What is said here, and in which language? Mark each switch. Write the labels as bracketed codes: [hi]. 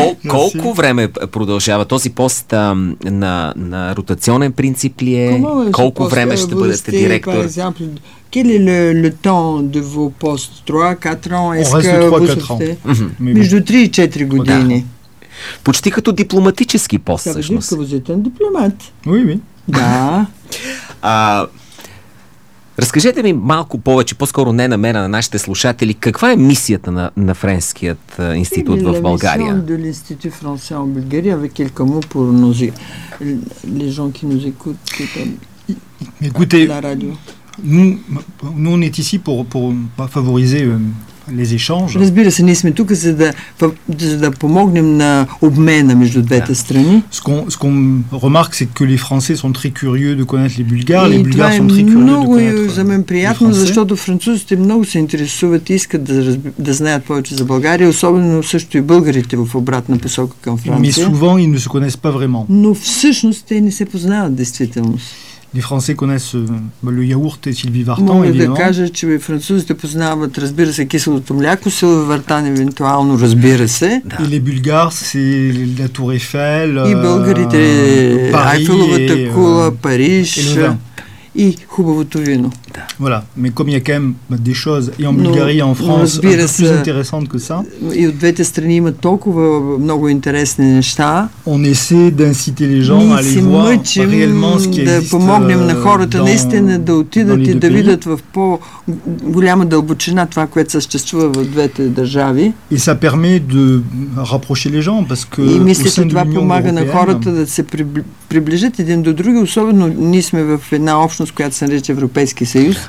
[bg] Колко време продължава този пост на ротационен принцип ли е? Колко време ще бъдете директор? [fr] Quel est le temps de vos postes? 3-4 ans? Est-ce que vous [bg] Между 3-4 години. Почти като дипломатически пост, всъщност. [fr] Ça veut dire que vous êtes un diplomate. Oui. [bg] Да. Разкажете ми малко повече, по-скоро не на мен, а на нашите слушатели, каква е мисията на Френският институт в България? [fr] La mission de l'Institut français en Bulgarie avec quelques mots pour nous les gens qui nous écoutent écoutez la radio. Nous on est ici pour favoriser les échanges. [bg] Разбира се, ние сме тук за да помогнем на обмена между двете страни. [fr] Ce qu'on remarque, c'est que les Français sont très curieux de connaître les Bulgares, les Bulgares sont très curieux de connaître les Français. [bg] За мен приятно, защото французите много се интересуват и искат да знаят повече за България, особено също и българите в обратна посока към Франция. [fr] Mais souvent, ils ne se connaissent pas vraiment. [bg] Но всъщност те не се познават действително. [fr] Les Français connaissent le yaourt et Sylvie Vartan, évidemment. [bg] Мога да кажа, че французите познават, разбира се, киселото мляко, Sylvie Vartan, евентуално, разбира се. [fr] Et les Bulgares, c'est la Tour Eiffel, [bg] и българите, Айфеловата кула, Париж. И хубавото вино. [fr] Voilà, mais comme il y a quand même des choses et en Bulgarie et en France, plus intéressantes que ça. [bg] И от двете страни има толкова много интересни неща. [fr] On essaie d'inciter les gens à aller voir réellement ce qui existe. [bg] Да помогнем на хората наистина да отидат и да видят в по-голяма дълбочина това, което съществува в двете държави. [fr] Et ça permet de rapprocher les gens parce que [bg] това помага на хората да се приближат един до друг, особено ние сме в една общност, която се нарича Европейски съюз.